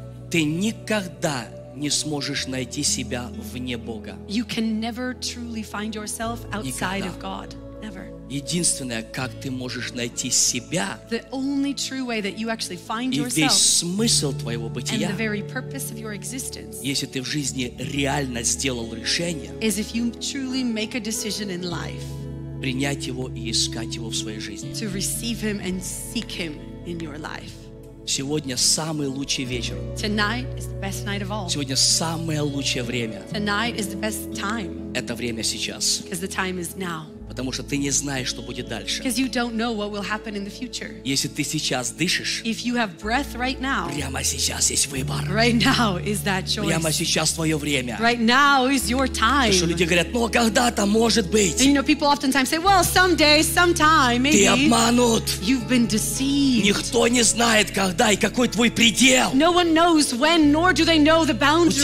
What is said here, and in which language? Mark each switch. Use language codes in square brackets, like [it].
[ru] Ты никогда не сможешь найти себя вне Бога. [en] You can never truly find yourself outside [ru] никогда. [en] Of God. Never. [ru] Единственное, как ты можешь найти себя [en] the only true way that you actually find [ru] и весь смысл твоего бытия [en] and the very purpose of your existence [ru] если ты в жизни реально сделал решение [en] is if you truly make a decision in life [ru] принять его и искать его в своей жизни. [en] To receive him and seek him in your life. [ru] Сегодня самый лучший вечер. [en] Tonight is the best night of all. [ru] Сегодня самое лучшее время. [en] Tonight is the best time. [ru] Это время сейчас. [en] Because the time is now. [ru] Потому что ты не знаешь, что будет дальше. [en] Because you don't know what will happen in the future. [ru] Если ты сейчас дышишь, [en] if you have breath right now, [ru] прямо сейчас есть выбор. [en] Right now is that choice. [ru] Прямо сейчас твое время. [en] Right now is your time. [ru] Что люди говорят, ну когда-то может быть. [en] And you know, people oftentimes say, well, someday, sometime, maybe. [ru] Ты обманут. [en] You've been deceived. [ru] Никто не знает, когда и какой твой предел. [en] No one knows when, nor do they know the boundaries.